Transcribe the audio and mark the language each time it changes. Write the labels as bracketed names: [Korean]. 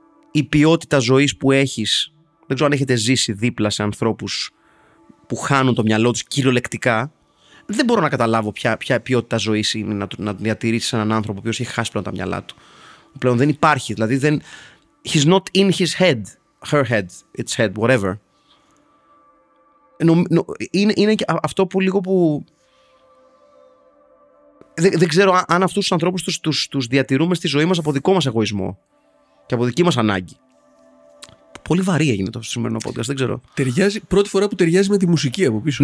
[Greek] η ποιότητα ζωής που έχεις, δεν ξέρω αν έχετε ζήσει δίπλα σε ανθρώπους που χάνουν το μυαλό τους κυριολεκτικά, δεν μπορώ να καταλάβω ποια ποιότητα ζωής είναι να διατηρήσεις έναν άνθρωπο ο οποίος έχει χάσει πλέον τα μυαλά του. Πλέον δεν υπάρχει, δηλαδή δεν... [English] He's not in his head, her head, its head, whatever. [Greek] Είναι και αυτό που λίγο που... Δεν ξέρω αν αυτούς τους ανθρώπους τους διατηρούμε στη ζωή μας από δικό μας εγωισμό και από δική μας ανάγκη. Πολύ βαρύ έγινε το σημερινό podcast, δεν ξέρω. Ταιριάζει, πρώτη φορά που ταιριάζει με τη μουσική από πίσω.